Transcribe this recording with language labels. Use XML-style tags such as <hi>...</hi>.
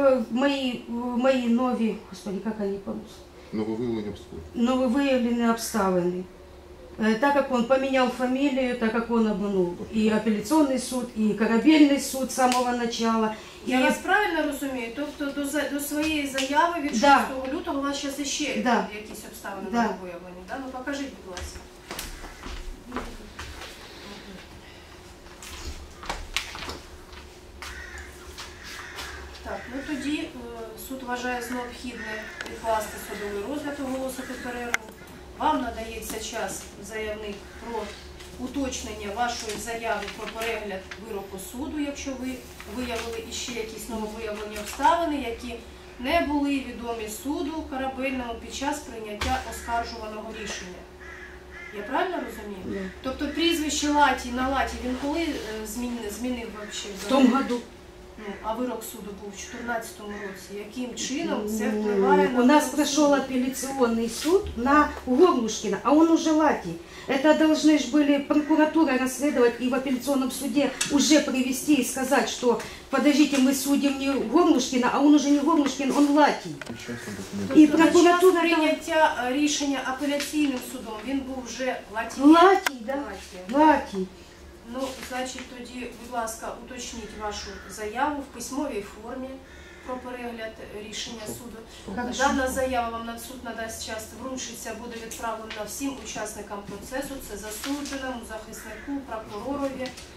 <uk>Мої нові, господи, як вони по-русски? Нововиявлені обставини.</uk> <ru>Так как он поменял фамилию, так как он обманул и апелляционный суд, и корабельный суд с самого начала.</ru> <uk>Я вас правильно розумію? Тобто до своєї заяви від 6 лютого у вас зараз ще якісь обставини нововиявлені? Да. Ну покажіть, будь ласка. Так, ну тоді суд вважає за необхідне відкласти судовий розгляд, оголосити перерву. Вам надається час заявник про уточнення вашої заяви про перегляд вироку суду, якщо ви виявили іще якісь нововиявлені обставини, які не були відомі суду корабельному під час прийняття оскаржуваного рішення. Я правильно розумію? Yeah. Тобто прізвище Латі на Латі він коли змінив вообще? В тому году. А вирок суду був в 2014 році. Яким чином це впливає на... У нас пройшов апеляційний суд на Горлушкіна, а він уже Латі.</uk> <ru>Это должны же были прокуратура расследовать и в апелляционном суде уже привести и сказать, что подождите, мы судим не Горлушкина, а он уже не Горлушкин, он Латий. И прокуратура... принятия решения апелляционным судом, он был уже Латий. Латий, да? Латий.</ru> <uk>Ну, значит, тоді, будь ласка, уточніть вашу заяву в письмовій формі. про перегляд рішення суду. Дана заява вам на суд надасть час вручиться, буде відправлена всім учасникам процесу, це засудженому, захиснику, прокуророві.</uk>